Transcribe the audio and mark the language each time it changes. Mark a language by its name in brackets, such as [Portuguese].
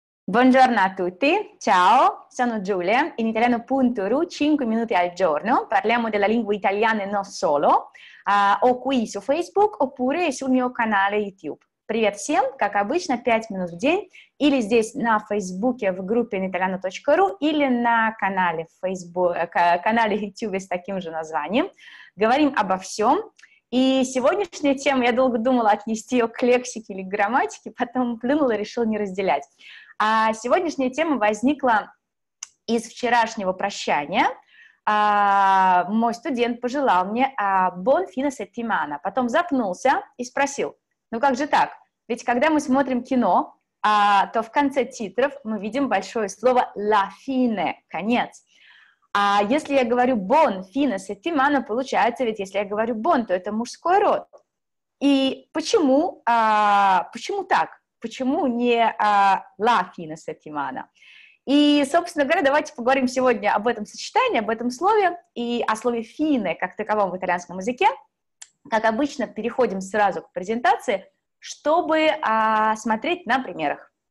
[Italian] Buongiorno a tutti, ciao, sono Giulia, in italiano.ru 5 minuti al giorno, parliamo della lingua italiana e non solo, o qui su Facebook oppure sul mio canale YouTube. [Russian] Привет всем, как обычно, 5 минут в день, или здесь на Фейсбуке в группе italiano.ru, или на канале, канале YouTube с таким же названием. Говорим обо всем. И сегодняшняя тема, я долго думала отнести ее к лексике или к грамматике, потом плюнула и решила не разделять. А сегодняшняя тема возникла из вчерашнего прощания. Мой студент пожелал мне [Italian] «Buon fine settimana», [Russian] потом запнулся и спросил, ну как же так? Ведь когда мы смотрим кино, то в конце титров мы видим большое слово [Italian] «la fine» [Russian] — «конец». А если я говорю [Italian] «bon fine settimana», [Russian] получается, ведь если я говорю «bon», то это мужской род. И почему, почему так? Почему не [Italian] «la fine settimana»? [Russian] И, собственно говоря, давайте поговорим сегодня об этом сочетании, об этом слове и о слове «fine» как таковом в итальянском языке. Как обычно, переходим сразу к презентации, чтобы смотреть на примерах.